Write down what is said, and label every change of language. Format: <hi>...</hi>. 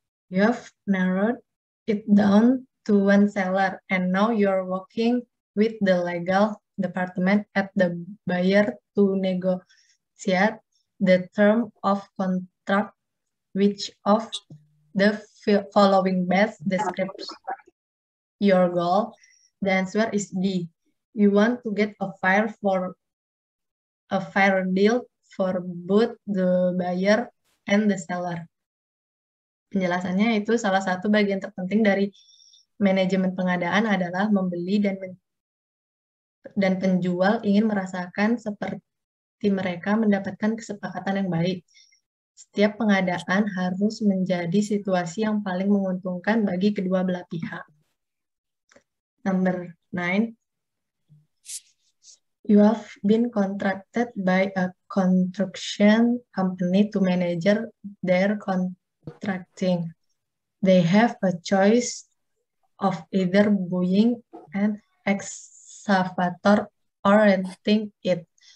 <en>You have narrowed it down to one seller, and now you're working with the legal department at the buyer to negotiate the term of contract, which of the following best describes your goal. The answer is D. You want to get a fair deal for both the buyer and the seller.</en> <id>Penjelasannya itu salah satu bagian terpenting dari manajemen pengadaan adalah membeli dan penjual ingin merasakan seperti mereka mendapatkan kesepakatan yang baik. Setiap pengadaan harus menjadi situasi yang paling menguntungkan bagi kedua belah pihak.</id> <en>Number 9. You have been contracted by a construction company to manage their contracting. They have a choice of either buying an excavator or renting it.</en>